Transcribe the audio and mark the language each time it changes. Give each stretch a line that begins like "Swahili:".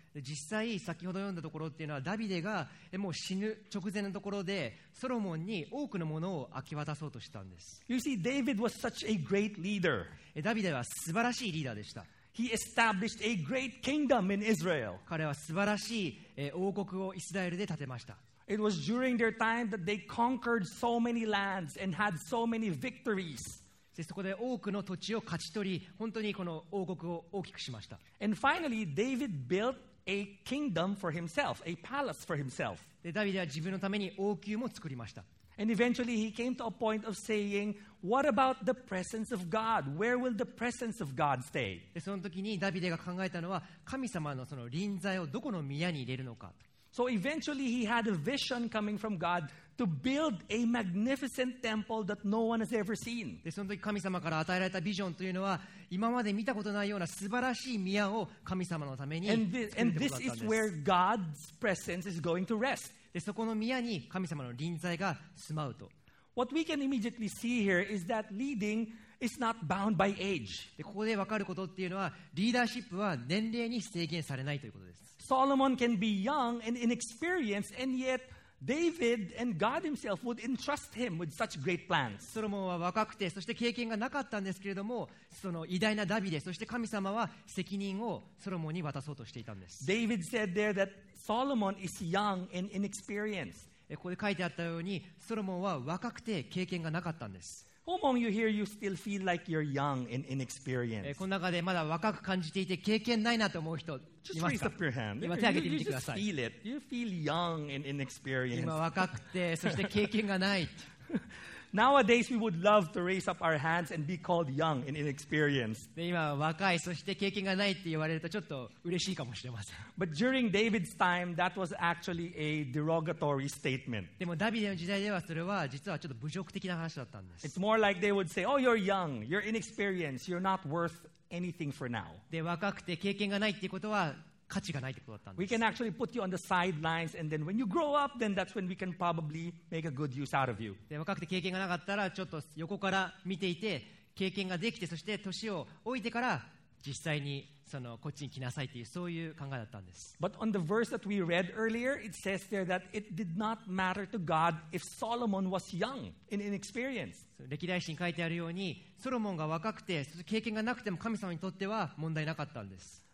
Japanese: 実際、先ほど読んだところっていうのは、ダビデがもう死ぬ直前のところで、ソロモンに多くのものを明け渡そうとしたんです。
English: You see, David was such a great leader.
Japanese: ダビデは素晴らしいリーダーでした。
English: He established a great kingdom in Israel.
Japanese: 彼は素晴らしい王国をイスラエルで建てました。
English: It was during their time that they conquered so many lands and had so many victories.
Japanese: そこで多くの土地を勝ち取り、本当にこの王国を大きくしました。
English: And finally, David built a kingdom for himself, a palace for himself.
Japanese: で、ダビデは自分のために王宮も作りました。
English: And eventually he came to a point of saying, What about the presence of God? Where will the presence of God stay?
Japanese: で、その時にダビデが考えたのは、神様のその臨在をどこの宮に入れるのか。
English: So eventually he had a vision coming from God to build a magnificent temple that no one has ever seen.
Japanese: で、その時神様から与えられたビジョンというのは、今まで見たことないような素晴らしい宮を神様のために作るということだったんです。
English: And this is where God's presence is going to rest.
Japanese: で、そこの宮に神様の臨在が住まうと。
English: What we can immediately see here is that leading is not bound by age.
Japanese: で、ここで分かることっていうのは、リーダーシップは年齢に制限されないということです。
English: Solomon can be young and inexperienced, and yet David and God himself would entrust him with such great plans.
Japanese: ソロモンは若くて、そして経験がなかったんですけれども、その偉大なダビデ、そして神様は責任をソロモンに渡そうとしていたんです。
English: David said there that Solomon is young and inexperienced.
Japanese: ここで書いてあったように、ソロモンは若くて経験がなかったんです。
English: How long you hear you still feel like you're young and inexperienced?
Japanese: この中でまだ若く感じていて経験ないなと思う人いますか?
English: Just raise up your hand.
Japanese: 今手挙げてみてください。
English: You just feel it. You feel young and inexperienced.
Japanese: 今若くてそして経験がない。
English: Nowadays we would love to raise up our hands and be called young and inexperienced.
Japanese: 今若いそして経験がないって言われるとちょっと嬉しいかもしれません。
English: But during David's time, that was actually a derogatory statement.
Japanese: でもダビデの時代ではそれは実はちょっと侮辱的な話だったんです。
English: It's more like they would say, "Oh, you're young, you're inexperienced, you're not worth anything for now."
Japanese: で若くて経験がないっていうことは価値がないってことだったんです。
English: We can actually put you on the sidelines, and then when you grow up, then that's when we can probably make a good use out of you.
Japanese: で、若くて経験がなかったら、ちょっと横から見ていて、経験ができて、そして年を置いてから実際にそのこっちに来なさいっていうそういう考えだったんです。
English: But on the verse that we read earlier, it says there that it did not matter to God if Solomon was young and inexperienced.
Japanese: 歴代史に書いてあるように、ソロモンが若くて、そして経験がなくても神様にとっては問題なかったんです。